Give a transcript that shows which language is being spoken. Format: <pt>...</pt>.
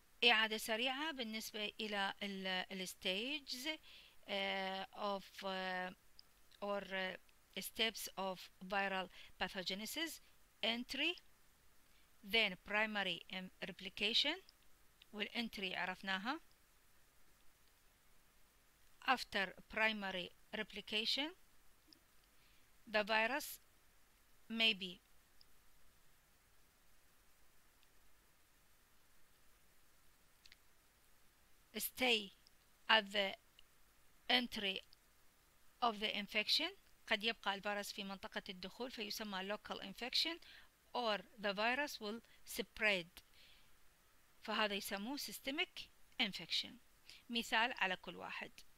<ar>إعادة سريعة بالنسبة إلى الـ</ar> <en>stages of or steps of viral pathogenesis: entry, then primary replication.</en> <ar>والentry عرفناها.</ar> <en>After primary replication, the virus may be stay at the entry of the infection.</en> <ar>قد يبقى الفيروس في منطقة الدخول فيسمى</ar> <en>local infection, or the virus will spread,</en> <ar>فهذا يسموه</ar> <en>systemic infection.</en> <ar>مثال على كل واحد.</ar>